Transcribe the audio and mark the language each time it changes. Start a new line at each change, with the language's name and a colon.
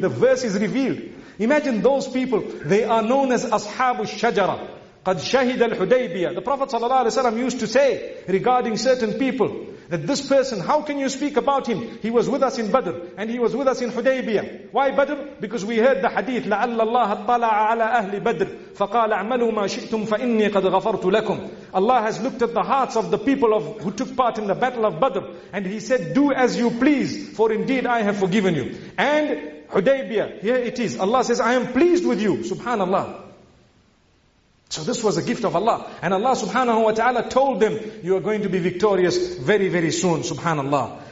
English: The verse is revealed. Imagine those people. They are known as Ashab al-Shajara.
Arabic: قَدْ شَهِدَ الْحُدَيْبِيَةِ.
English: The Prophet ﷺ used to say regarding certain people that this person, how can you speak about him? He was with us in Badr and he was with us in Hudaybiyah. Why Badr? Because we heard the hadith,
Arabic: لَعَلَّ اللَّهَ اطَّلَعَ عَلَى أَهْلِ بَدْرِ فَقَالَ اعْمَلُوا مَا شِئْتُمْ فَإِنِّي قَدْ غَفَرْتُ لَكُمْ.
English: Allah has looked at the hearts of the people of who took part in the battle of Badr and he said, do as you please, for indeed I have forgiven you. And Hudaybiyah, here it is. Allah says, I am pleased with you. Subhanallah. So this was a gift of Allah. And Allah subhanahu wa ta'ala told them, you are going to be victorious very, very soon. Subhanallah.